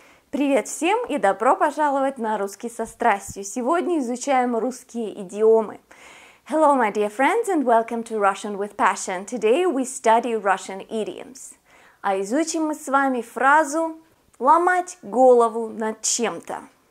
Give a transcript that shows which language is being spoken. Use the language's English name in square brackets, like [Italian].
[Russian] Привет всем и добро пожаловать на «Русский со страстью». Сегодня изучаем русские идиомы. [English] Hello, my dear friends, and welcome to Russian with Passion. Today we study Russian idioms. [Russian] А изучим мы с вами фразу «ломать голову над чем-то».